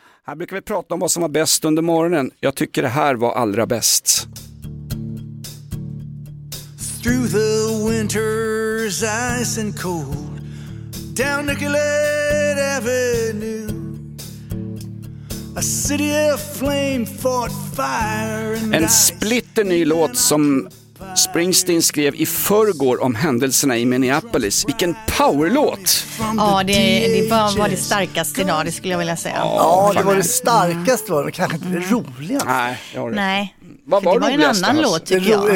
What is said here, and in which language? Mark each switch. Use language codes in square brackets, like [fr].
[sv] Här brukar vi prata om vad som var bäst under morgonen. Jag tycker det här var allra bäst. [en] Through the winter's ice and cold, down Nicollet Avenue, a city aflame fought fire and ice. [sv] En splitter ny låt som Springsteen skrev i förrgår om händelserna i Minneapolis. Vilken powerlåt! Ja, det var det starkaste idag, det skulle jag vilja säga. Ja, det var det starkaste, var det kanske inte det roligaste. Nej, Det var en annan låt, tycker jag.